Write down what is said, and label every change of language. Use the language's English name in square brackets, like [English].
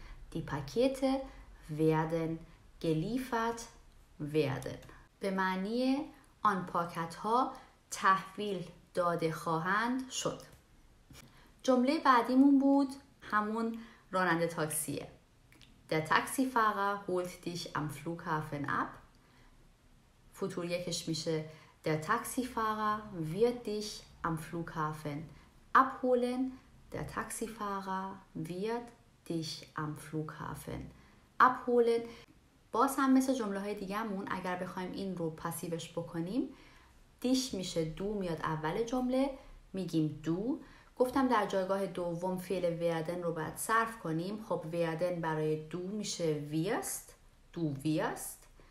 [German] دی پاکت ویردن گلیفت ویردن [Persian] به معنی آن پاکت ها تحویل داده خواهند شد. جمله بعدیمون بود همون راننده تاکسیه. [German] Der Taxifahrer holt dich am Flughafen ab. [Persian] فوتور یکش میشه [German] Der Taxifahrer wird dich am Flughafen abholen. Der Taxifahrer wird dich am Flughafen abholen. [Persian] باز هم مثل جمله های دیگه‌مون اگر بخوایم این رو پسیوش بکنیم، دیش میشه دو میاد اول جمله، میگیم دو. گفتم در جایگاه دوم فعل ویردن رو باید صرف کنیم. خب ویردن برای دو میشه ویست، [German] دو ویست.